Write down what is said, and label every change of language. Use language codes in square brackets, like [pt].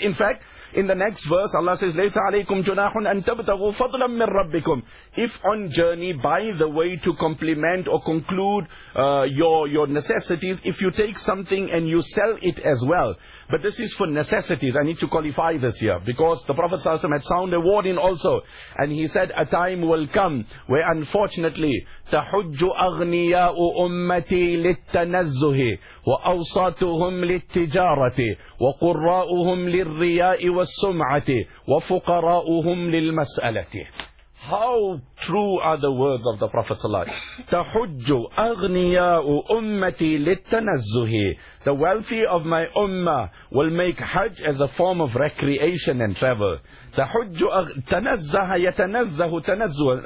[en] In fact, in the next verse, Allah says, [ar] لَيْسَ عَلَيْكُمْ جُنَاحٌ أَن تَبْتَغُوا فَضْلًا مِّن رَبِّكُمْ. [en] If on journey, by the way, to complement or conclude your necessities, if you take something and you sell it as well. But this is for necessities. I need to qualify this here. Because the Prophet ﷺ had sound a warning also. And he said, a time will come where unfortunately, [ar] تَحُجُّ أَغْنِيَاءُ أُمَّتِي لِلتَّنَزُّهِ وَأَوْسَاتُهُمْ لِلتِّجَارَةِ وَقُرَّاءُهُمْ لِلرِّيَاءِ وَالسُّمْعَةِ وَفُقَرَاءُهُمْ لِلْمَسْأَلَةِ. [en] How true are the words of the Prophet ﷺ? [ar] تَحُجُّ أَغْنِيَاءُ أُمَّتِي لِلتَّنَزُّهِ. [en] The wealthy of my ummah will make hajj as a form of recreation and travel. [ar] تَحُجُّ تَنَزَّهَ يَتَنَزَّهُ تَنَزُّهُ.